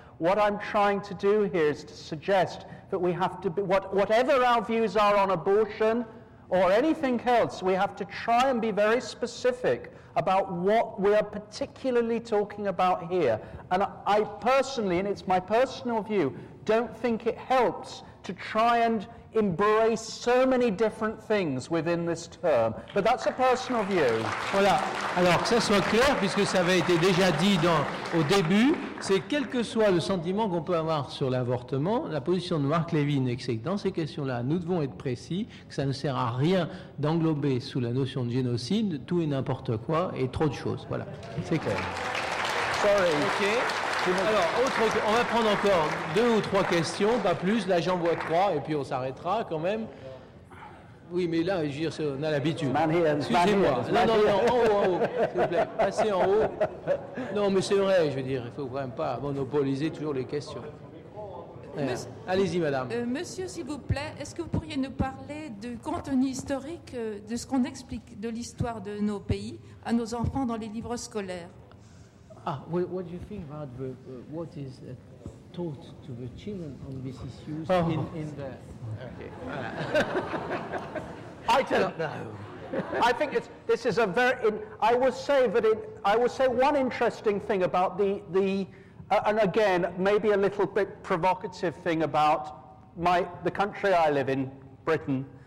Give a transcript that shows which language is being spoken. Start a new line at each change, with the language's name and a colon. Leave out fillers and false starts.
English: What I'm trying to do here is to suggest that we have to be, whatever our views are on abortion or anything else, we have to try and be very specific about what we are particularly talking about here. And I personally, and it's my personal view, don't think it helps to try and embrace so many different things within this term. But that's a personal view.
French: Voilà. Alors, que ça soit clair, puisque ça avait été déjà dit dans, au début, c'est quel que soit le sentiment qu'on peut avoir sur l'avortement, la position de Marc Levin est que dans ces questions-là, nous devons être précis, que ça ne sert à rien d'englober sous la notion de génocide tout et n'importe quoi et trop de choses. Voilà, c'est clair.
English: Sorry. Okay.
French: Alors, autre, on va prendre encore deux ou trois questions, pas plus. Là, j'en vois trois, et puis on s'arrêtera quand même. Oui, mais là, on a l'habitude. Excusez-moi. Non, non, non, en haut, s'il vous plaît. Passez en haut. Non, mais c'est vrai, je veux dire, il ne faut quand même pas monopoliser toujours les questions. Ouais. Allez-y, madame. Monsieur, s'il vous plaît, est-ce que vous pourriez nous parler du contenu historique de ce qu'on explique de l'histoire de nos pays à nos enfants dans les livres scolaires?
English: Ah, what do you think about the, what is taught to the children on these issues in the... Okay. I don't know. I think this is a very... I will say one interesting thing about and again, maybe a little bit provocative thing about the country I live in, Britain.